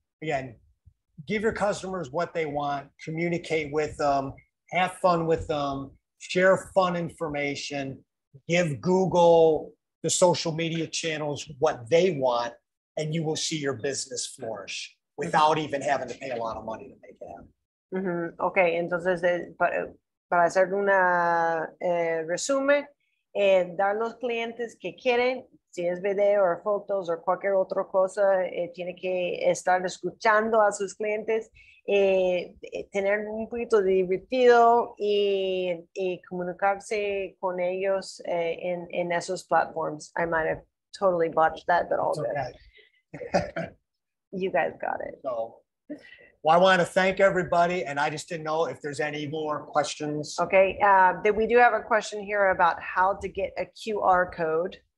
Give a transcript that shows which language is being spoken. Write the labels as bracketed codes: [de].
[en] Again, give your customers what they want, communicate with them, have fun with them, share fun information, give Google the social media channels what they want, and you will see your business flourish without even having to pay a lot of money to make it happen. Mm-hmm. [es] Okay, entonces para hacer una resumen, dar los clientes que quieren, si es video o fotos o cualquier otra cosa, tiene que estar escuchando a sus clientes, tener un poquito divertido y comunicarse con ellos en esos platforms. [en] I might have totally botched that, but all good. Okay. You guys got it. So. Well, I want to thank everybody, and I just didn't know if there's any more questions. Okay, we do have a question here about how to get a QR code.